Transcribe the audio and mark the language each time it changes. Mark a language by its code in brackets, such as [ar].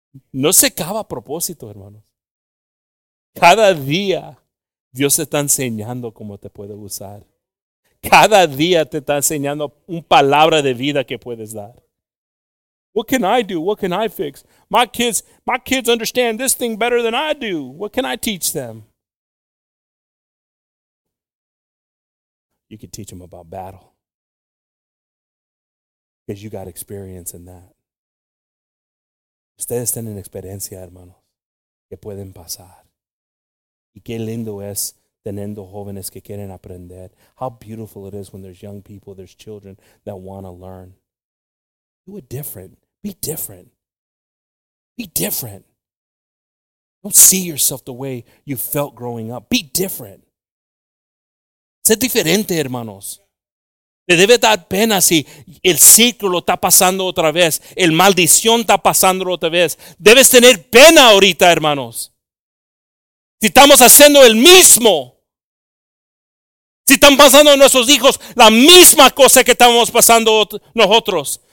[es] No se acaba propósito, hermanos. Cada día Dios te está enseñando cómo te puede usar. Cada día te está enseñando una palabra de vida que puedes dar. [en] What can I do? What can I fix? My kids understand this thing better than I do. What can I teach them? You can teach them about battle. Because you got experience in that. [es] Ustedes tienen experiencia, hermanos, que pueden pasar. Y qué lindo es teniendo jóvenes que quieren aprender. [en] How beautiful it is when there's young people, there's children that want to learn. Do it different. Be different. Be different. Don't see yourself the way you felt growing up. Be different. [es] Sé diferente, hermanos. Te debe dar pena si el ciclo lo está pasando otra vez. El maldición está pasando otra vez. Debes tener pena ahorita, hermanos. Si estamos haciendo el mismo. Si están pasando nuestros hijos la misma cosa que estamos pasando nosotros.